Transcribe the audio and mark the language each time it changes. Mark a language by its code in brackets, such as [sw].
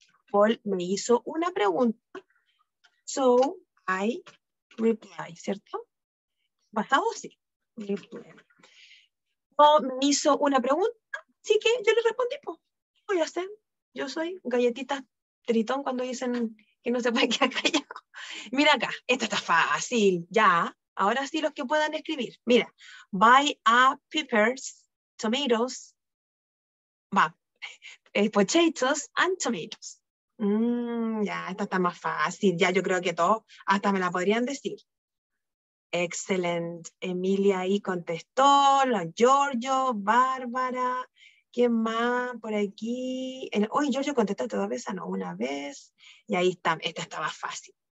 [es] Paul me hizo una pregunta. [en] So I reply, [es] ¿cierto? ¿Pasado? Sí. Reply. Paul me hizo una pregunta, así que yo le respondí. ¿Qué voy a hacer? Yo soy galletita tritón cuando dicen que no se puede quedar callado. Mira acá, esto está fácil. Ya, ahora sí los que puedan escribir. [en] Mira, buy a peppers, tomatoes, va, potatoes and tomatoes. [es] Ya, esta está más fácil. Ya, yo creo que todos hasta me la podrían decir. Excelente. Emilia ahí contestó. Giorgio, Bárbara. ¿Quién más por aquí? Uy, Giorgio contestó dos veces, no, una vez. Y ahí está, esta está más fácil.